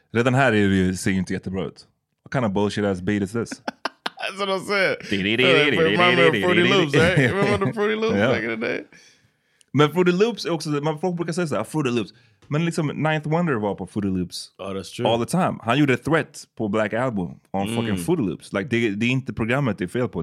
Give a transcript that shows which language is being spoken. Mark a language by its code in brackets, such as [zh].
[sv] Redan här är det ser inte jättebra ut. [en] What kind of bullshit ass beat is this? That's what I said. Remember the Fruity Loops, back in the day. [sv] Men Fruity Loops är också, man folk brukar säga så här, Fruity Loops. Men liksom Ninth Wonder var på Fruity Loops. [en] Oh, that's true. All the time. [sv] Han gjorde Threat på [en] Black Album on fucking Fruity Loops. Like, [sv] det är inte programmet det är fel på.